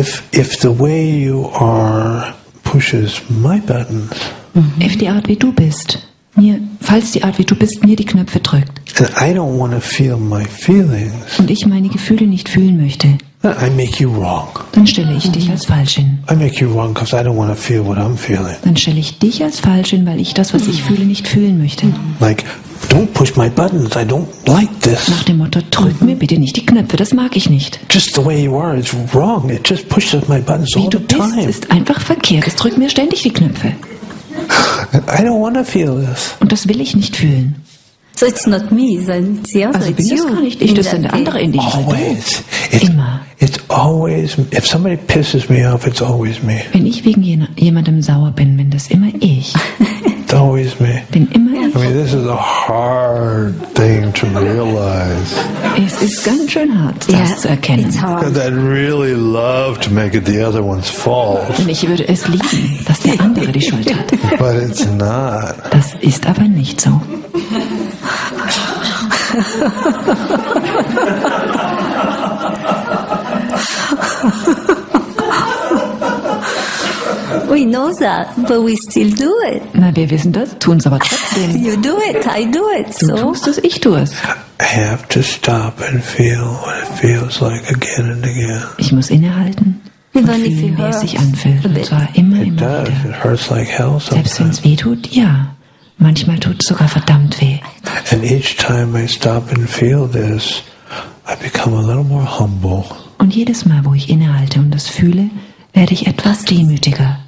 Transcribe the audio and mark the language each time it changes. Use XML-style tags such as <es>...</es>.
<en>If the way you are pushes my buttons, if</en> <de>die Art wie du bist mir, falls die Art wie du bist mir die Knöpfe drückt,</de> <en>and I don't want to feel my feelings,</en> <de>und ich meine Gefühle nicht fühlen möchte,</de> <en>I make you wrong.</en> <de>Dann stelle ich dich als falsch hin.</de> <en>I make you wrong because I don't want to feel what I'm feeling.</en> <de>Dann stelle ich dich als falsch hin, weil ich das, was ich fühle, nicht fühlen möchte.</de> <en>Like, don't push my buttons. I don't like this.</en> <de>Nach dem Motto, drück mir bitte nicht die Knöpfe. Das mag ich nicht.</de> <en>Just the way you are is wrong. It just pushes my buttons</en> <de>wie</de> <en>all the time.</en> <de>Wie du bist, ist einfach verkehrt. Es drückt mir ständig die Knöpfe.</de> <en>I don't want to feel this.</en> <de>Und das will ich nicht fühlen.</de> <en>So it's not me, then it's the other.</en> <de>Also</de> <en>it's you.</en> <de>Das kann ich nicht. Das sind andere in dich.</de> <en>Always.</en> <de>Immer.</de> <en>It's always. If somebody pisses me off, it's always me.</en> <de>Wenn ich wegen jemandem sauer bin, bin das immer ich.</de> <en>It's always me.</en> <de>Bin immer ich.</de> <en>I mean, this is a hard thing to realize.</en> <de>Es ist ganz schön hart, das zu erkennen.</de> <en>It's hard. Because I'd really love to make it the other one's fault.</en> <de>Und ich würde es lieben, dass der andere die Schuld hat.</de> <en>But it's not.</en> <de>Das ist aber nicht so.</de> <en>We know that, but we still do it.</en> <de>Na, wir wissen das, tun es aber trotzdem.</de> <en>You do it, I do it.</en> <de>Du tust es, ich tue es.</de> <en>I have to stop and feel what it feels like again and again.</en> <de>Ich muss innehalten.</de> <en>Even if it hurts,</en> <de>und zwar immer,</de> <en>it</en> <de>immer</de> <en>does.</en> <de>Wieder.</de> <en>It hurts like hell sometimes.</en> <de>Selbst wenn es weh tut, ja. Manchmal tut es sogar verdammt weh.</de> <en>And each time I stop and feel this, I become a little more humble.</en> <de>Und jedes Mal, wo ich innehalte und das fühle, werde ich etwas demütiger.</de>